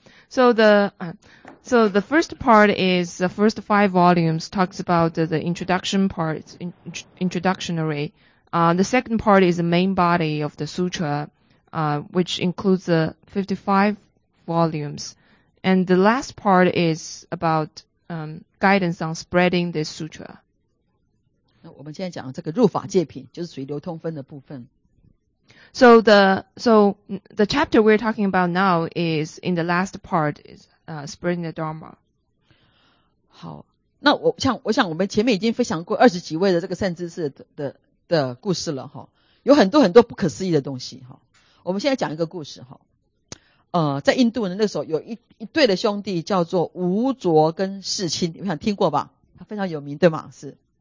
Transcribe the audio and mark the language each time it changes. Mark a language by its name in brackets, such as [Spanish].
[English] So the first part is the first 5 volumes talks about the introduction part, introductionary. The second part is the main body of the sutra, which includes the 55 volumes, and the last part is about guidance on spreading this sutra. [Chinese] 那我们现在讲这个入法界品就是属于流通分的部分。 [English] So the chapter we're talking about now is in the last part is spreading the dharma. [Chinese] 好，那我想我们前面已经分享过二十几位的这个善知识 的, 的, 的故事了哈，有很多很多不可思议的东西哈。我们现在讲一个故事哈，在印度呢，那时候有一对的兄弟叫做吴卓跟世亲，你想听过吧？他非常有名，对吗？是。